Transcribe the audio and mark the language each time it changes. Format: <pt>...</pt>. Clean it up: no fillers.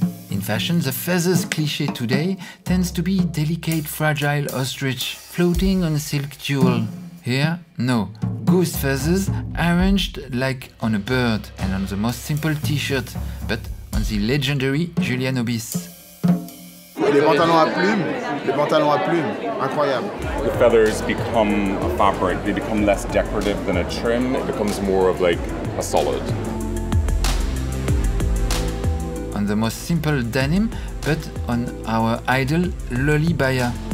<en>In fashion, the feathers cliché today tends to be delicate, fragile ostrich floating on silk tulle. Here, no. Goose feathers arranged like on a bird and on the most simple t-shirt, but on the legendary Julian Obis.</en> <fr>Les pantalons à plumes, les pantalons à plumes, incroyable.</fr> <en>The feathers become a fabric, they become less decorative than a trim, it becomes more of like a solid. On the most simple denim, but on our idol Loli Baya.</en>